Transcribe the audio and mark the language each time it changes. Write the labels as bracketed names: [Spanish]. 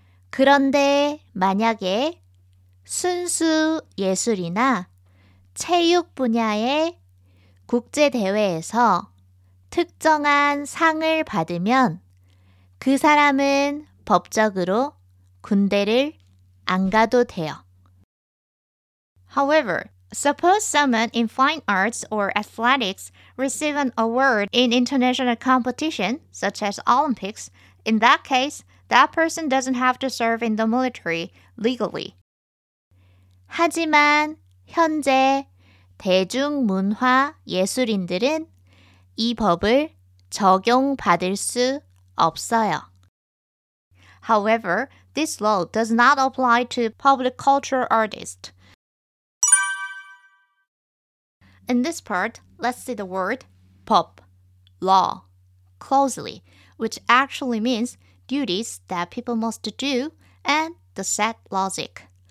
[Korean] 그런데 만약에 순수 예술이나 체육 분야의 국제 대회에서 특정한 상을 받으면 그 사람은 법적으로 군대를 안 가도 돼요. [English] However, suppose someone in fine arts or athletics receive an award in international competition, such as Olympics, in that case, that person doesn't have to serve in the military legally. [Korean] 하지만 현재 대중문화 예술인들은 이 법을 적용받을 수 없어요. [English] However, this law does not apply to public culture artists. In this part, let's see the word 법, law, closely, which actually means duties that people must do and the set logic.